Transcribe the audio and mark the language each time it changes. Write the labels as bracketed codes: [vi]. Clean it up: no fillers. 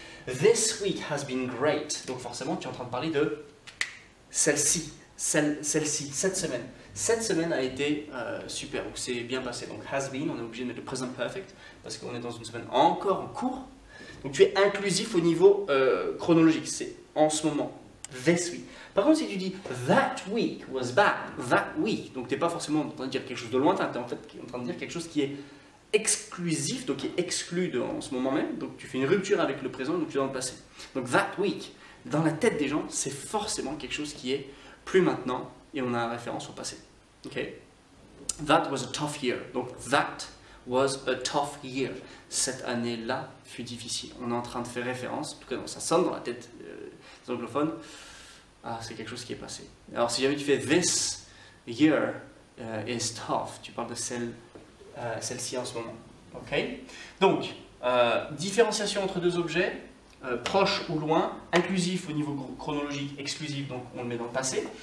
[en] This week has been great. [fr] Donc forcément, tu es en train de parler de celle-ci, celle-ci, cette semaine. Cette semaine a été super, donc c'est bien passé. Donc has been, on est obligé de mettre le present perfect parce qu'on est dans une semaine encore en cours. Donc tu es inclusif au niveau chronologique, c'est en ce moment. This week. Par contre, si tu dis [en] that week was bad, [fr] that week, donc tu n'es pas forcément en train de dire quelque chose de lointain, tu es en fait en train de dire quelque chose qui est exclusif, donc qui est exclu de, en ce moment même, donc tu fais une rupture avec le présent, donc tu es dans le passé. Donc that week, dans la tête des gens, c'est forcément quelque chose qui est plus maintenant et on a une référence au passé. [en] Ok? That was a tough year. Donc that was a tough year. [fr] Cette année-là fut difficile. On est en train de faire référence, en tout cas, non, ça sonne dans la tête des anglophones. Ah, c'est quelque chose qui est passé. Alors, si jamais tu fais « [en] this year is tough [fr] », tu parles de celle-ci en ce moment. Ok? Donc, différenciation entre deux objets, proche ou loin, inclusif au niveau chronologique, exclusif, donc on le met dans le passé.